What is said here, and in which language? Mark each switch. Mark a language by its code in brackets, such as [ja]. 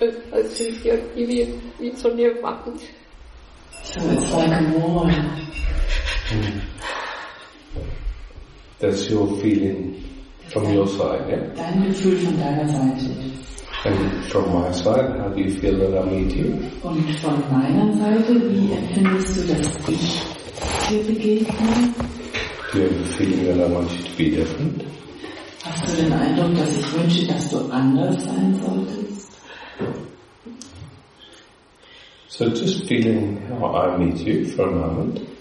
[de] Also ich hier wie so eine Wand. [en] So it's like a wall. That's your feeling from your side, yeah? [de] Dein Gefühl von deiner Seite. [en] And from my side, how do you feel that I meet you? [de] Und von meiner Seite, wie empfindest du, dass ich dir begegne? [en] Do you have a feeling that I want you to be different? [de] Hast du den Eindruck, dass ich wünsche, dass du anders sein solltest? [en] So just feeling how I meet you for a moment.